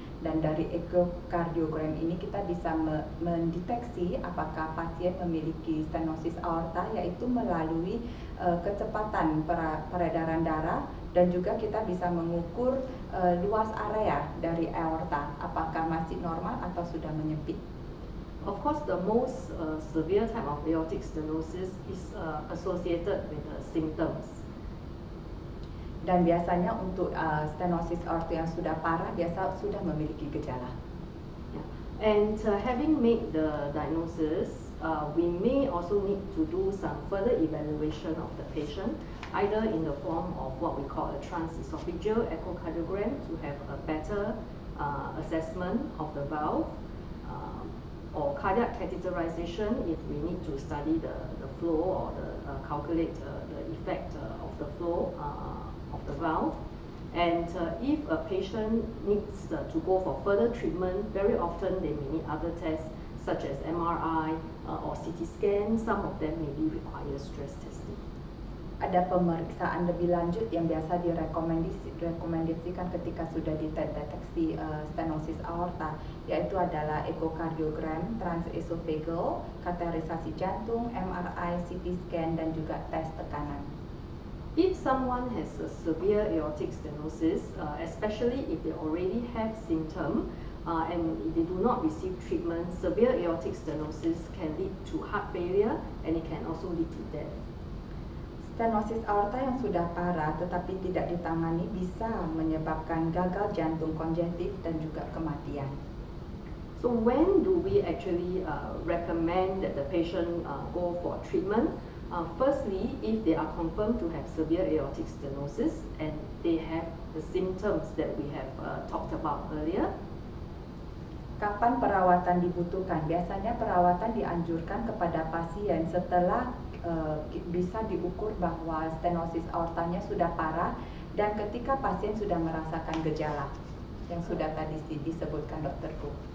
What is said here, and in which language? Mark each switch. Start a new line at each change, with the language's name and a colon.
Indonesian: Dan dari echocardiogram ini kita bisa mendeteksi apakah pasien memiliki stenosis aorta, yaitu melalui kecepatan peredaran darah, dan juga kita bisa mengukur luas area dari aorta, apakah masih normal atau sudah menyempit.
English: Of course, the most severe type of aortic stenosis is associated with symptoms.
Indonesian: Dan biasanya untuk stenosis aorta yang sudah parah, biasa sudah memiliki gejala.
English: Yeah. And having made the diagnosis, we may also need to do some further evaluation of the patient, either in the form of what we call a transesophageal echocardiogram to have a better assessment of the valve, or cardiac catheterization if we need to study the flow or the calculate the effect of the flow of the valve. And if a patient needs to go for further treatment, very often they may need other tests such as MRI or CT scan. Some of them maybe require stress testing.
Indonesian: Ada pemeriksaan lebih lanjut yang biasa direkomendasikan ketika sudah dideteksi stenosis aorta, yaitu adalah echocardiogram, transesophageal, cateterisasi jantung, MRI, CT scan, dan juga tes tekanan.
English: If someone has a severe aortic stenosis, especially if they already have symptoms and if they do not receive treatment, severe aortic stenosis can lead to heart failure and it can also lead to death.
Indonesian: Stenosis aorta yang sudah parah tetapi tidak ditangani bisa menyebabkan gagal jantung kongestif dan juga kematian.
English: So when do we actually recommend that the patient go for treatment? Firstly, if they are confirmed to have severe aortic stenosis and they have the symptoms that we have talked about earlier.
Indonesian: Kapan perawatan dibutuhkan? Biasanya perawatan dianjurkan kepada pasien setelah bisa diukur bahwa stenosis aortanya sudah parah dan ketika pasien sudah merasakan gejala yang sudah tadi disebutkan dokter Gu.